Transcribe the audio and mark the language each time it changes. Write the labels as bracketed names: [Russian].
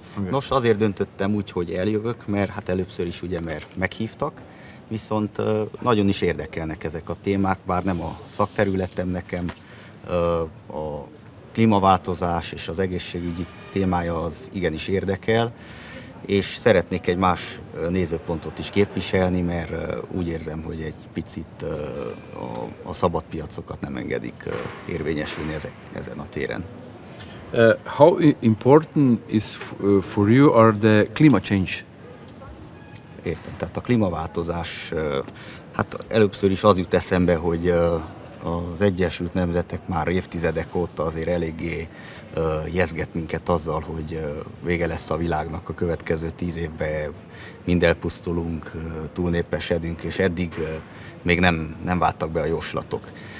[Hungarian] Okay. Nos, azért döntöttem úgy, hogy eljövök, mert hát először is ugye, mert meghívtak, viszont nagyon is érdekelnek ezek a témák, bár nem a szakterületem nekem, a klímaváltozás és az egészségügyi témája az igenis érdekel, és szeretnék egy más nézőpontot is képviselni, mert úgy érzem, hogy egy picit a szabad piacokat nem engedik érvényesülni ezen a téren. [English] How important is for you are the climate change? [Hungarian] Értem, tehát a klímaváltozás, hát először is az jut eszembe, hogy az Egyesült Nemzetek már évtizedek óta azért eléggé jezget minket azzal, hogy vége lesz a világnak a következő 10 évben, mind elpusztulunk, túlnépesedünk, és eddig még nem váltak be a jóslatok.